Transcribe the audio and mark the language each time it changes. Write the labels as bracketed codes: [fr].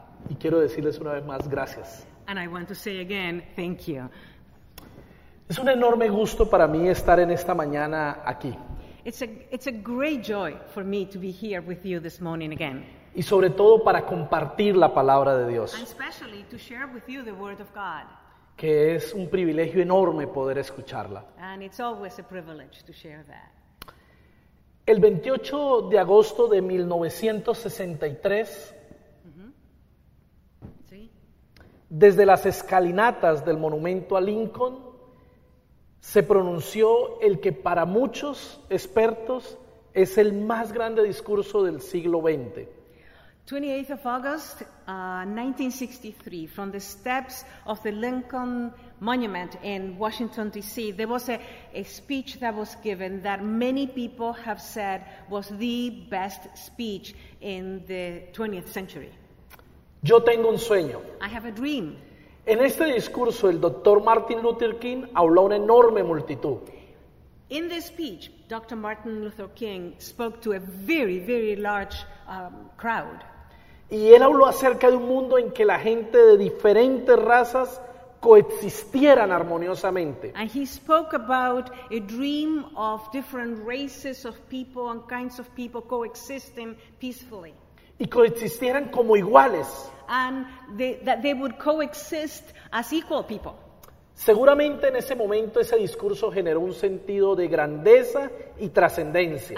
[es] Y quiero decirles una vez más gracias. [en] And I want to say again, thank you. [es] Es un enorme gusto para mí estar en esta mañana aquí. [en] It's a great joy for me to be here with you this morning again. [es] Y sobre todo para compartir la palabra de Dios. [en] And especially to share with you the word of God. [es] Que es un privilegio enorme poder escucharla. [en] And it's always a privilege to share that. [es] El 28 de agosto de 1963, ¿sí? Desde las escalinatas del monumento a Lincoln, se pronunció el que para muchos expertos es el más grande discurso del siglo XX. [en] 28th of August, 1963, from the steps of the Lincoln Monument in Washington, D.C., there was a speech that was given that many people have said was the best speech in the 20th century. [es] Yo tengo un sueño. [en] I have a dream. [es] En este discurso, el Dr. Martin Luther King habló a una enorme multitud. [en] In this speech, Dr. Martin Luther King spoke to a very, very large crowd. [es] Y él habló acerca de un mundo en que la gente de diferentes razas coexistieran armoniosamente. [en] And he spoke about a dream of different races of people and kinds of people coexisting peacefully. [es] Y coexistieran como iguales. [en] And that they would coexist as equal people. [es] Seguramente en ese momento ese discurso generó un sentido de grandeza y trascendencia.